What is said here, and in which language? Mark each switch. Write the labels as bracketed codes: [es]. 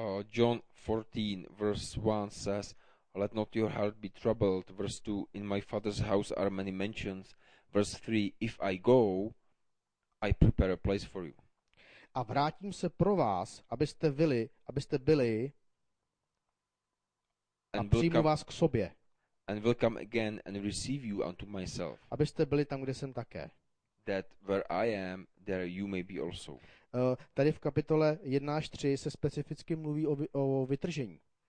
[en] John 14, verse 1 says, let not your heart be troubled, verse 2, in my father's house are many mansions, verse 3, if I go, I prepare a place for you. [cs] A vrátím se pro vás, abyste byli a přijmu vás k sobě. [en] And will come again and receive you unto myself. [cs] Abyste byli tam, kde jsem také. [en] That where I am, there you may be also. [cs] Tady v kapitole 1 až 3 se specificky mluví o vytržení.